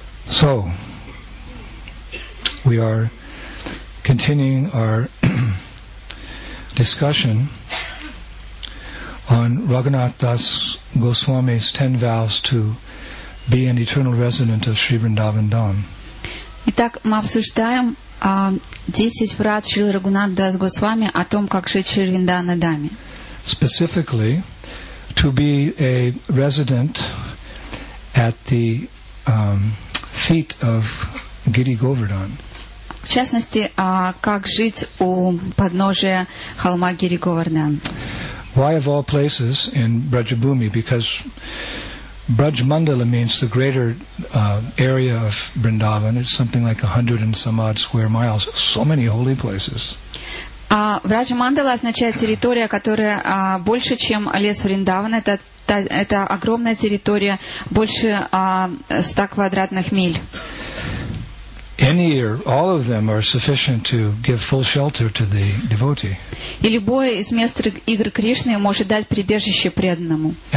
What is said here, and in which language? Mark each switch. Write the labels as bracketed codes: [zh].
[en] So, we are continuing our discussion on Raghunath Das Goswami's 10 vows to be an eternal resident of Sri Vrindavan Dham. [ru] Итак, мы обсуждаем 10 врат Шрилы Рагунат Дас Госвами о том, как жить в Шри Вриндаване Даме. [en] Specifically, to be a resident at the feet of Giri Govardhan. [ru] В частности, как жить у подножия холма Гири Говардан. [en] Why of all places in Brajabhumi? Because Braj Mandala means the greater area of Vrindavan. It's something like 100 and some odd square miles. So many holy places. [ru] Braj Mandala означает территория, которая больше, чем лес Вриндаван. Это огромная территория, больше 100 квадратных миль. [en] Any or all of them are sufficient to give full shelter to the devotee. [ru] И любое из мест игр Кришны может дать прибежище преданному.